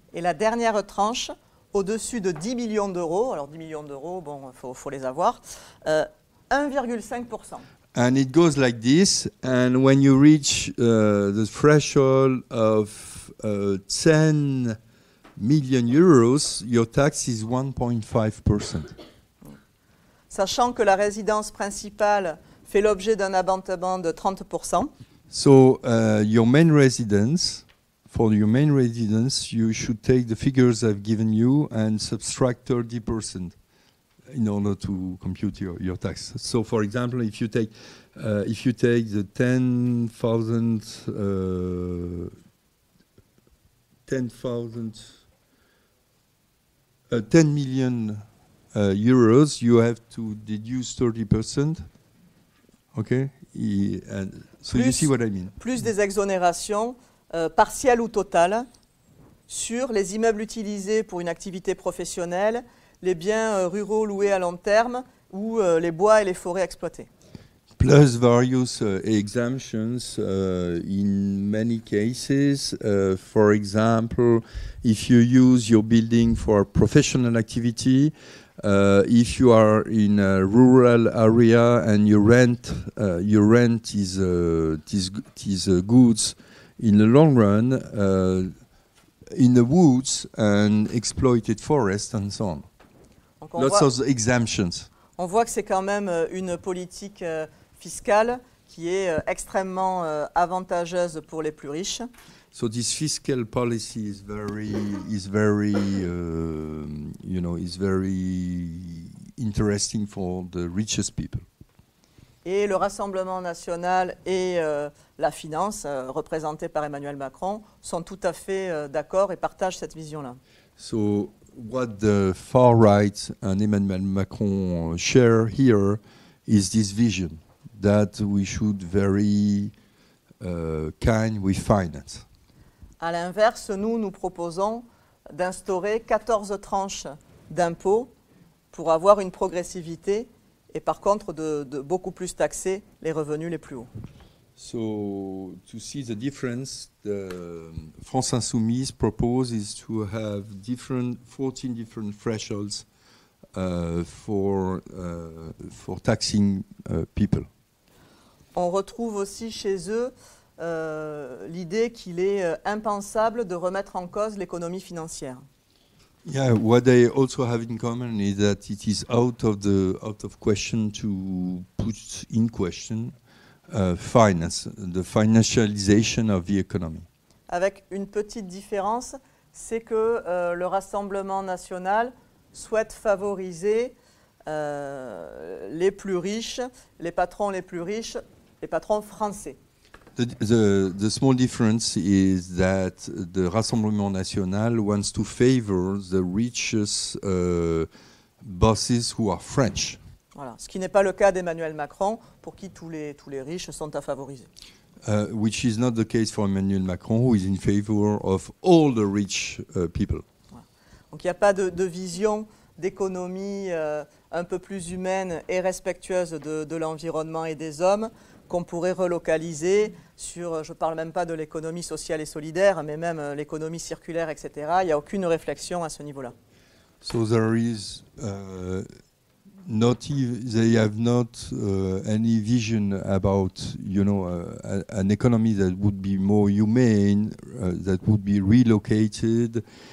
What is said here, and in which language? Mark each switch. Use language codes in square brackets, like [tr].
[fr] Et la dernière tranche, au-dessus de 10 millions d'euros, alors 10 millions d'euros, bon, faut les avoir, 1,5%. [en] And it goes like this, and when you reach the threshold of 10 million euros, your tax is 1.5%. [fr] Sachant que la résidence principale fait l'objet d'un abattement de 30%. [en] So your main residence, you should take the figures I've given you and subtract 30%. In order to compute your tax. So, for example, if you take the 10 million euros, you have to deduce 30%. Okay, and so plus, you see what I mean. [fr] Plus des exonérations partielles ou totales sur les immeubles utilisés pour une activité professionnelle. Les biens ruraux loués à long terme ou les bois et les forêts exploités. [en] Plus various exemptions in many cases. For example, if you use your building for professional activity, if you are in a rural area and you rent these goods in the long run in the woods and exploited forests and so on. Lots of exemptions. [fr] On voit que c'est quand même une politique fiscale qui est extrêmement avantageuse pour les plus riches. [en] So this fiscal policy is very interesting for the richest people. [fr] Et le Rassemblement national et la finance, représentée par Emmanuel Macron, sont tout à fait d'accord et partagent cette vision-là. [en] So what the far right and Emmanuel Macron share here is this vision that we should be very kind with finance. [fr] À l'inverse, nous proposons d'instaurer 14 tranches d'impôts pour avoir une progressivité et par contre de beaucoup plus taxer les revenus les plus hauts. [en] So to see the difference, the France Insoumise proposes is to have 14 different thresholds for taxing people. [fr] On retrouve aussi chez eux l'idée qu'il est impensable de remettre en cause l'économie financière. [en] Yeah, what they also have in common is that it is out of question to put in question finance, the financialization of the economy. [fr] Avec une petite différence, c'est que le Rassemblement national souhaite favoriser les plus riches, les patrons les plus riches, les patrons français. [en] The small difference is that the Rassemblement National wants to favor the richest bosses who are French. [fr] Voilà, ce qui n'est pas le cas d'Emmanuel Macron, pour qui tous les riches sont à favoriser. [en] Which is not the case for Emmanuel Macron, who is in favor of all the rich people. [fr] Voilà. Donc il n'y a pas de vision d'économie un peu plus humaine et respectueuse de l'environnement et des hommes. Qu'on pourrait relocaliser sur, je ne parle même pas de l'économie sociale et solidaire, mais même l'économie circulaire, etc. Il n'y a aucune réflexion à ce niveau-là. [en] So there is they have not any vision about, you know, an economy that would be more humane, that would be relocated.